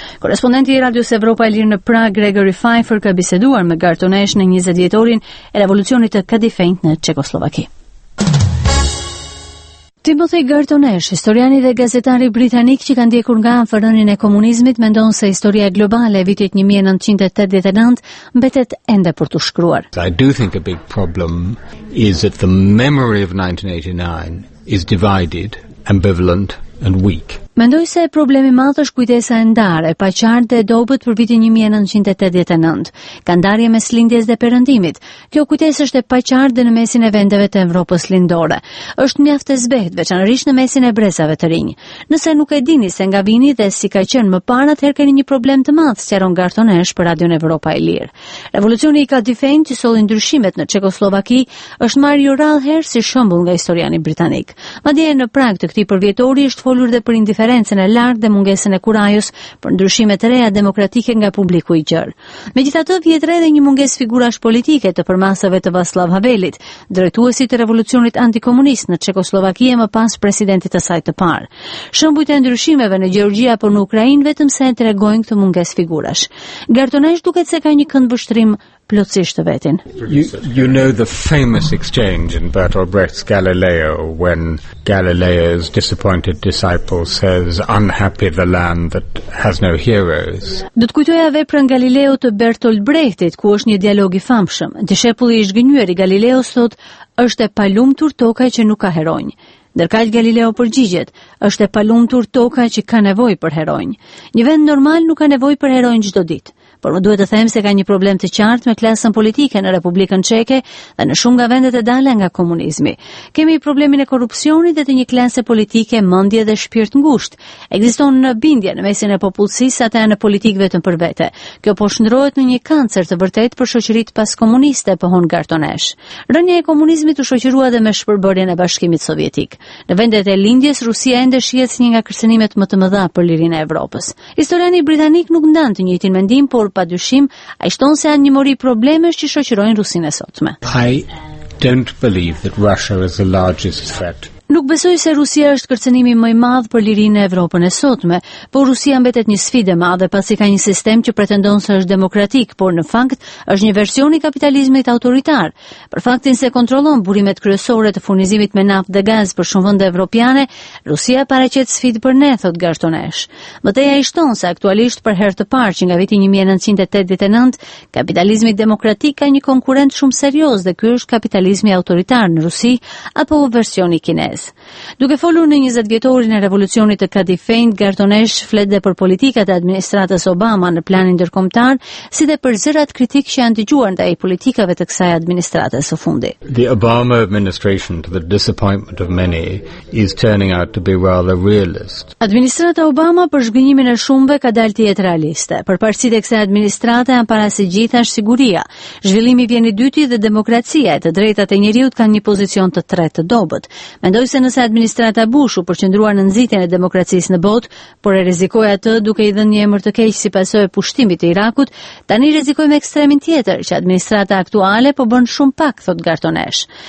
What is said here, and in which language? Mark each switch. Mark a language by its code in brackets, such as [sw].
[sq] Korrespondenti i Radios Evropa e Lirë në Prag, Gregory Pfeiffer, ka biseduar me Garton Ash në 20 vjetorin e revolucionit të Kadifejnt në Çekoslovaki. Timothy Garton Ash, historiani dhe gazetari britanik që ka ndjekur nga anfër rënien e komunizmit, mendon se historia globale e vitit 1989 mbetet ende për t'u shkruar. [en] I do think a big problem is that the memory of 1989 is divided, ambivalent and weak. [sq] Mendoj se problemi madh është kujtesa e ndarë, e paqartë dhe e dobët për vitin 1989. Ka ndarje mes lindjes dhe perëndimit. Kjo kujtesë është e paqartë dhe në mesin e vendeve të Evropës lindore. Është mjaft e zbehtë, veçanërisht në mesin e brezave të rinj. Nëse nuk e dini se nga vini dhe si ka qenë më parë, atëherë keni një problem të madh, sqaron Garton Ash për Radion Evropa e Lirë. Revolucioni i Kadifejnt që solli ndryshimet në Çekoslovaki është marrë jo rallëherë si shembull nga historiani britanik. Madje në prag të këtij përvjetori është folur edhe për diferencën e lartë dhe mungesën e kurajës për ndryshime të reja demokratike nga publiku i gjerë. Megjithatë, vjet re edhe një mungesë figurash politike të përmasave të Václav Havelit, drejtuesit të revolucionit antikomunist në Çekoslovaki më pas presidentit të saj të parë. Shembujt e ndryshimeve në Gjeorgji apo në Ukrainë vetëm se tregojnë këtë mungesë figurash. Garton Ash duket se ka një këndvështrim plotësisht të vetin. [en] You know the famous exchange in Bertolt Brecht's Galileo when Galileo's disappointed disciple says unhappy the land that has no heroes. [sq] Do të kujtoja veprën Galileo të Bertolt Brechtit, ku është një dialog i famshëm. Dishepulli i zhgënjur i Galileos thotë, është e palumtur toka që nuk ka heronjë. Ndërkaq Galileo përgjigjet, është e palumtur toka që ka nevojë për heronjë. Një vend normal nuk ka nevojë për heronjë çdo ditë. Por më duhet të them se ka një problem të qartë me klasën politike në Republikën Çeke dhe në shumë nga vendet e dale nga komunizmi. Kemi problemin e korrupsionit dhe të një klase politike mendje dhe shpirt ngushtë. Ekziston në bindje në mesin e popullsisë atë në politikë vetëm për vete. Kjo po shndrohet në një kancer të vërtet për shoqëritë paskomuniste, pohon Garton Ash. Rënja e komunizmit u shoqërua edhe me shpërbërjen e Bashkimit Sovjetik. Në vendet e lindjes Rusia ende shihet si një nga kërcënimet më të mëdha për lirinë e Evropës. Historiani britanik nuk ndan të njëjtin mendim, por pa dyshim, a shton se janë një mori problemesh që shoqërojnë Rusinë e sotme. [en] I don't believe that Russia is the largest threat. [sq] Nuk besoj se Rusia është kërcënimi më i madh për lirinë e Evropën e sotme, por Rusia mbetet një sfidë e madhe pasi ka një sistem që pretendon se është demokratik, por në fakt është një versioni kapitalizmit autoritar. Për faktin se kontrollon burimet kryesore të furnizimit me naftë dhe gaz për shumë vende evropiane, Rusia paraqet sfidë për ne, thot Garton Ash. Mbetej ai shton se aktualisht për herë të parë që nga viti 1989, kapitalizmi demokratik ka një konkurent shumë serioz dhe ky është kapitalizmi autoritar në Rusi apo versioni kinez. Duke folur në 20 vjetorin e revolucionit të Kadifejnt, Garton Ash flet dhe për politikat e administratës Obama në planin ndërkombëtar, si dhe për zërat kritik që janë dëgjuar ndaj politikave të kësaj administratës së fundi. [en] The Obama administration, to the disappointment of many, is turning out to be rather realist. [sq] Administrata Obama, për zhgënjimin e shumëve, ka dalë të jetë realiste. Përparësitë e kësaj administrate janë para së gjithash siguria, zhvillimi i vjen i dyti dhe demokracia, e të drejtat e njerëzit kanë një pozicion të tretë të dobët. Mendoj se nëse administrata Bush u përqendruar në nxitjen e demokracisë në botë, por e rrezikoi atë duke i dhënë një emër të keq si pasojë pushtimit të Irakut, tani rrezikoi me ekstremin tjetër që administrata aktuale po bën shumë pak, thot Garton Ash.